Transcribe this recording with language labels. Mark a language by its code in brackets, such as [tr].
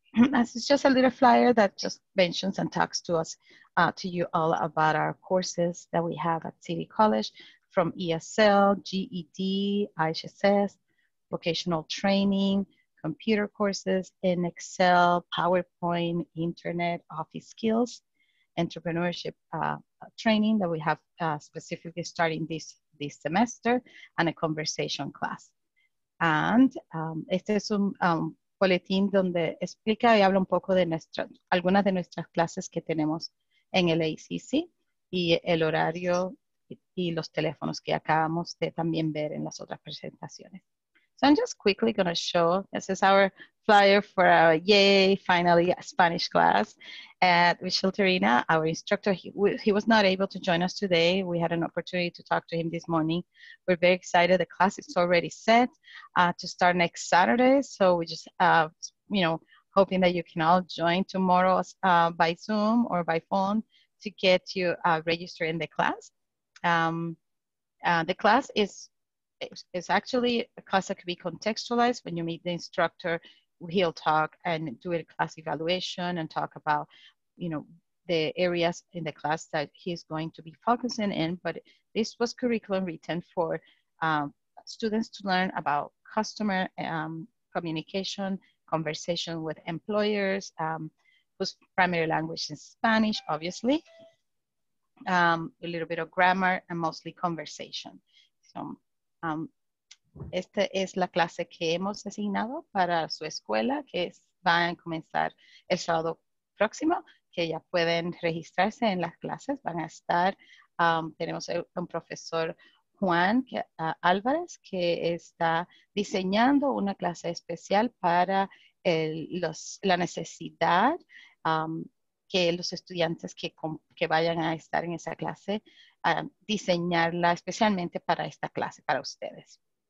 [en] This is just a little flyer that just mentions and talks to us, to you all about our courses that we have at City College, from ESL, GED, IHSS, vocational training, computer courses in Excel, PowerPoint, internet, office skills, entrepreneurship training that we have specifically starting this semester, and a conversation class. [es] And este es un boletín donde explica y habla un poco de algunas de nuestras clases que tenemos en el ACC y el horario y los teléfonos que acabamos de también ver en las otras presentaciones. [en] So I'm just quickly going to show, this is our flyer for our, yay, finally, a Spanish class at Micheltorena. Our instructor, he was not able to join us today. We had an opportunity to talk to him this morning. We're very excited. The class is already set to start next Saturday. So we just, hoping that you can all join tomorrow by Zoom or by phone to get you registered in the class. The class is... It's actually a class that can be contextualized. When you meet the instructor, he'll talk and do a class evaluation and talk about, you know, the areas in the class that he's going to be focusing in. But this was curriculum written for students to learn about customer communication, conversation with employers, whose primary language is Spanish, obviously, a little bit of grammar, and mostly conversation. [es] So, esta es la clase que hemos asignado para su escuela, que va a comenzar el sábado próximo, que ya pueden registrarse en las clases. Van a estar, tenemos un profesor Juan Álvarez, que está diseñando una clase especial para la necesidad que los estudiantes que vayan a estar en esa clase, diseñarla especialmente para esta clase, para ustedes.